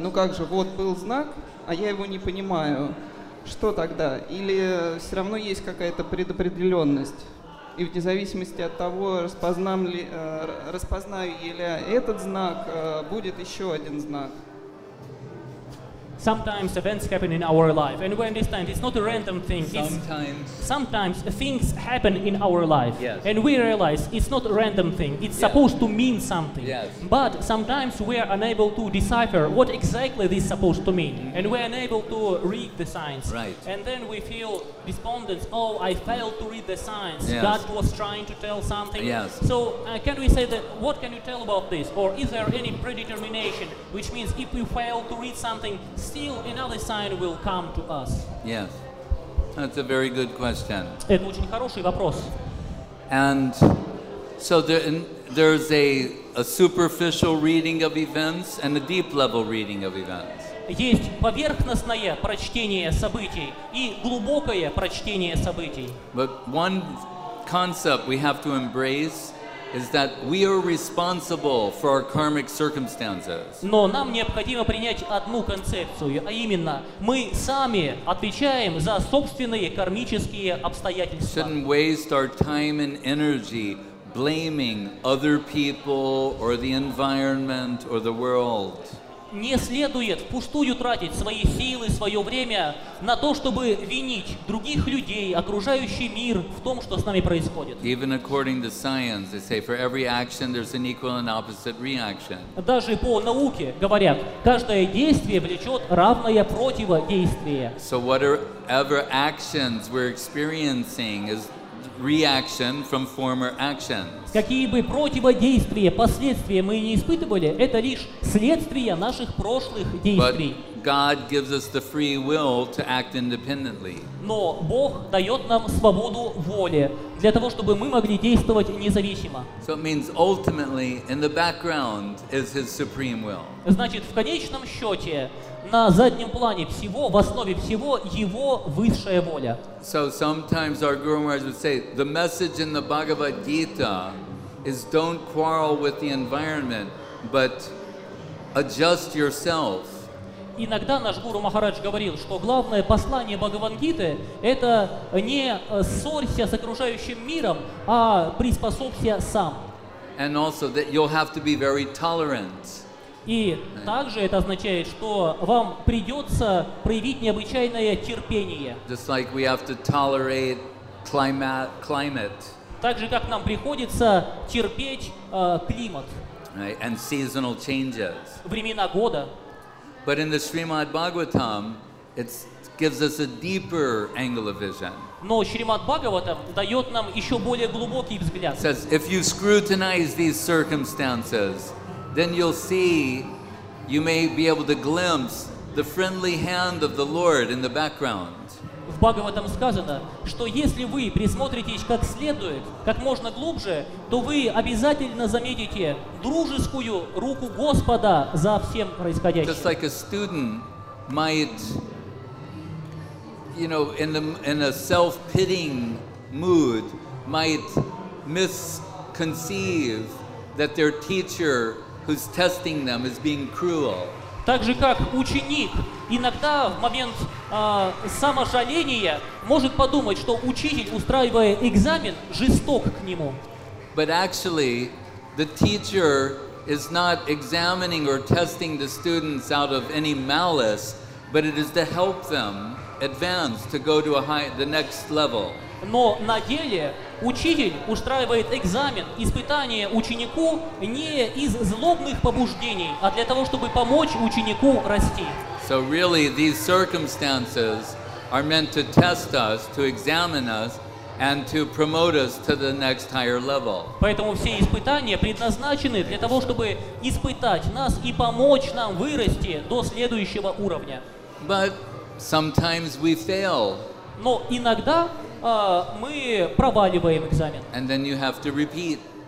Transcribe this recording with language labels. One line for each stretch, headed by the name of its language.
Russian: Ну как же, вот был знак, а я его не понимаю. Что тогда? Или все равно есть какая-то предопределенность? И в зависимости от того, распознаю ли я этот знак, будет еще один знак.
English: Sometimes events happen in our life, and we understand it's not a random thing. Sometimes things happen in our life, yes. And we realize it's not a random thing. It's yes. supposed to mean something. Yes. But sometimes we are unable to decipher what exactly this is supposed to mean, mm-hmm. and we are unable to read the signs. Right. And then we feel despondent. Oh, I failed to read the signs. Yes. God was trying to tell something. Yes. So can we say that? What can you tell about this? Or is there any predetermination, which means if we fail to read something? Still, another sign will come to us. Yes, that's a very good question.
Russian: Это очень хороший вопрос.
English: And so there's a superficial reading of events and a deep level reading of events.
Russian: Есть поверхностное прочтение событий и глубокое прочтение событий.
English: But one concept we have to embrace. Is that we are responsible for our karmic circumstances.
Russian: Но нам необходимо принять одну концепцию, а именно мы сами отвечаем за собственные кармические обстоятельства.
English: Shouldn't waste our time and energy blaming other people or the environment or the world.
Russian: Не следует впустую тратить свои силы, свое время на то, чтобы винить других людей, окружающий мир в том, что с нами происходит.
English: Even according to science, they say for every action there's an equal and opposite reaction.
Russian: Даже по науке говорят, каждое действие влечет равное противодействие.
English: So whatever actions we're experiencing is reaction from former actions.
Russian: Какие бы противодействия, последствия мы не испытывали, это лишь следствие наших прошлых действий.
English: But God gives us the free will to act independently.
Russian: Но Бог дает нам свободу воли для того, чтобы мы могли действовать независимо.
English: So it means ultimately in the background is His supreme will.
Russian: Значит, в конечном счете на заднем плане всего, в основе всего, его высшая воля.
English: So sometimes our Guru Maharaj would say, the message in the Bhagavad Gita is don't quarrel with the environment, but adjust yourself.
Russian: Иногда наш Гуру Махарадж говорил, что главное послание Бхагавад-гиты — это не ссорься с окружающим миром, а приспособься сам.
English: And also that you'll have to be very tolerant.
Russian: И также это означает, что вам придется проявить необычайное терпение.
English: Just like we have to tolerate climate.
Russian: Так же, как нам приходится терпеть климат.
English: Right. And seasonal changes.
Russian: Времена года.
English: But in the Srimad Bhagavatam, it gives us a deeper angle of vision.
Russian: Но Шримад Бхагаватам дает нам еще более глубокий взгляд.
English: Says, if you scrutinize these circumstances, then you'll see, you may be able to glimpse the friendly hand of the Lord in the background.
Russian: В Бхагаватам сказано, что если вы присмотритесь как следует, как можно глубже, то вы обязательно заметите дружескую руку Господа за всем происходящим.
English: Just like a student might, you know, in a self-pitying mood, might misconceive that their teacher who's testing them is being cruel.
Russian: Так же, как ученик иногда в момент саможаления может подумать, что учитель, устраивая экзамен, жесток к нему.
English: But actually, the teacher is not examining or testing the students out of any malice, but it is to help them advance to go to the next level.
Russian: Но на деле учитель устраивает экзамен, испытание ученику не из злобных побуждений, а для того, чтобы помочь ученику расти.
English: So really, these circumstances are meant to test us, to examine us, and to promote us to the next higher level.
Russian: Поэтому все испытания предназначены для того, чтобы испытать нас и помочь нам вырасти до следующего уровня.
English: But sometimes we fail.
Russian: Но иногда мы проваливаем экзамен.
English: And then you have to repeat.